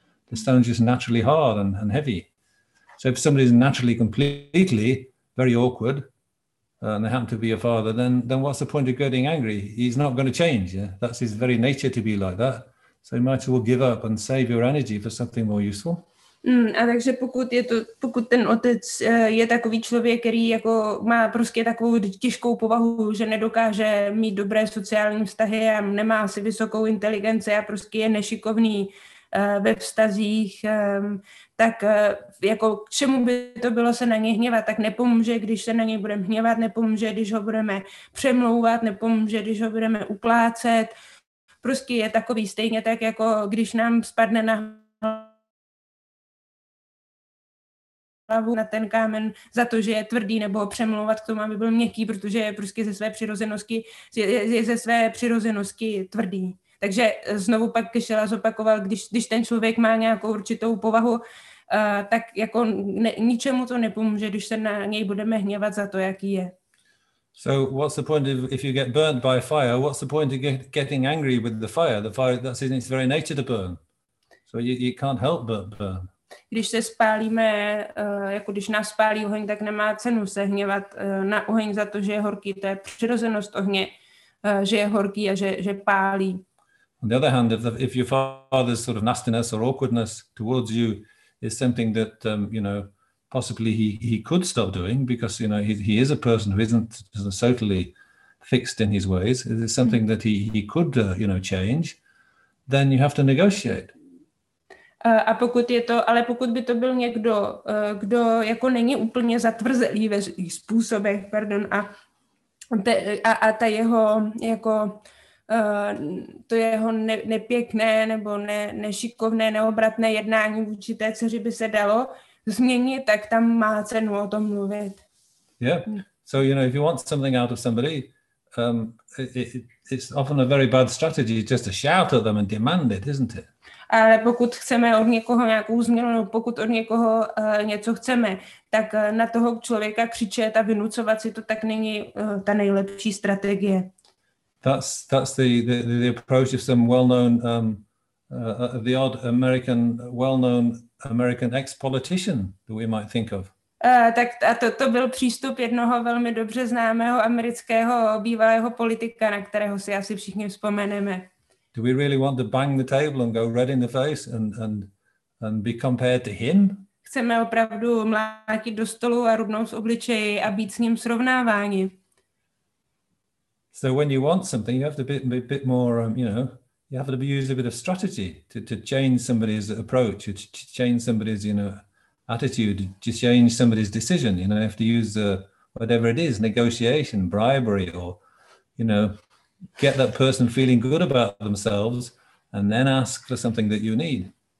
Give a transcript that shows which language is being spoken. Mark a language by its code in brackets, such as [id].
[en] The stone's just naturally hard and heavy. So if somebody's naturally completely very awkward, and they happen to be your father, then what's the point of getting angry? He's not going to change. Yeah, that's his very nature to be like that. So you might as well give up and save your energy for something more useful. [cs] A takže pokud ten otec je takový člověk, který jako má prostě takovou těžkou povahu, že nedokáže mít dobré sociální vztahy a nemá si vysokou inteligenci a prostě je nešikovný ve vztazích, tak jako k čemu by to bylo se na něj hněvat, tak nepomůže, když se na něj budeme hněvat, nepomůže, když ho budeme přemlouvat, nepomůže, když ho budeme uplácet. Prostě je takový stejně tak, jako když nám spadne na hlavu na ten kámen za to, že je tvrdý, nebo přemlouvat k tomu, aby byl měkký, protože je prostě ze své přirozenosti, je ze své přirozenosti tvrdý. Takže znovu pak Kešela zopakoval, když ten člověk má nějakou určitou povahu, tak jako ničemu to nepomůže, když se na něj budeme hněvat za to, jaký je. [en] So what's the point if you get burnt by fire? What's the point of getting angry with the fire? The fire, that's in its very nature to burn. So you can't help but burn. [cs] Když se spálíme, jako když nás spálí oheň, tak nemá cenu se hněvat na oheň za to, že je horký. To je přirozenost ohně, že je horký a že pálí. [en] On the other hand, if your father's sort of nastiness or awkwardness towards you is something that, you know, possibly he could stop doing because, you know, he is a person who isn't totally fixed in his ways. It is something that he could, you know, change. Then you have to negotiate. [cs] A pokud je to, ale pokud by to byl někdo, kdo jako není úplně zatvrzelý ve způsobech, pardon, a ta jeho jako to jeho nepěkné nebo nešikovné, neobratné jednání vůči té dceři by se dalo změnit, tak tam má cenu o tom mluvit. [en] Yeah. So you know, if you want something out of somebody, it's often a very bad strategy just to shout at them and demand it, isn't it? [cs] Ale pokud chceme od někoho nějakou změnu, nebo pokud od někoho něco chceme, tak na toho člověka křičet a vynucovat si to, tak není ta nejlepší strategie. [en] That's the approach of some well-known the odd American well-known American ex-politician that we might think of. [cs] Tak a to byl přístup jednoho velmi dobře známého amerického bývalého politika, na kterého si asi všichni vzpomeneme. [en] Do we really want to bang the table and go red in the face and be compared to him? [cs] Chceme opravdu mlátit do stolu a rubnout z obličeje a být s ním srovnáváni. [en] So when you want something, you have to be a bit more, you know, you have to use a bit of strategy to change somebody's approach, to change somebody's, you know, attitude, to change somebody's decision. You know, you have to use whatever it is, negotiation, bribery, or, you know, get that person feeling good about themselves and then ask for something that you need.